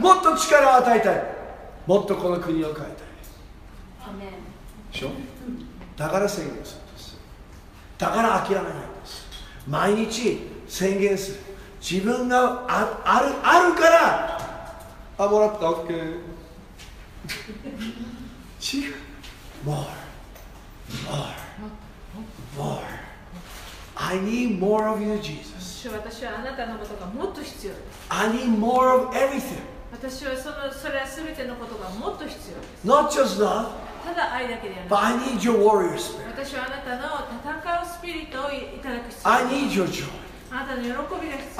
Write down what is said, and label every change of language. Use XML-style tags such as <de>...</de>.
<ja>もっと力を与えたい。もっとこの国を変えたい。アメン。でしょ？だから宣言するんです。だから諦めないんです。毎日宣言する。自分が あるから、あ、もらった、 OK。違う。</ja> <en>More More More I need more of you, Jesus.</en> <ja>私はあなたのことがもっと必要です。</ja> <en>I need more of everything.</en> <ja>私はそれは全てのことがもっと必要です。</ja> <en>Not just love.</en> <ja>ただ愛だけではなく、</ja> <en>But I need your warrior spirit.</en> <ja>私はあなたの戦うスピリットをいただく必要です。</ja> <en>I need your joy.</en> <ja>あなたの喜びが必要です。</ja>